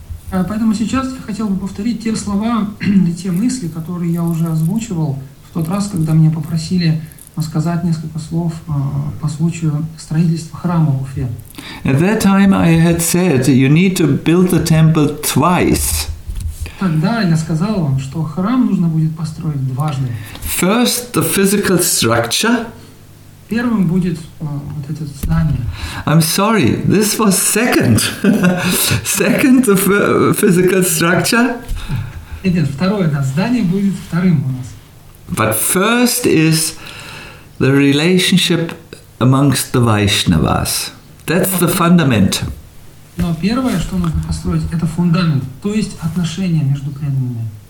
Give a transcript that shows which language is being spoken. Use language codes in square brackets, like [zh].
[ru] Поэтому сейчас я хотел бы повторить те слова и те мысли, которые я уже озвучивал в тот раз, когда меня попросили сказать несколько слов по случаю строительства храма в Уфе. [en] At that time I had said you need to build the temple twice. [ru] Тогда я сказал вам, что храм нужно будет построить дважды. [en] First the physical structure. [ru] Первым будет вот это здание. [en] I'm sorry, this was second. Second the physical structure. [ru] Нет, второе, да, здание будет вторым у нас. [en] But first is the relationship amongst the Vaishnavas. That's the fundament. [ru] Но первое, что нужно построить, это фундамент, то есть отношения между преданными.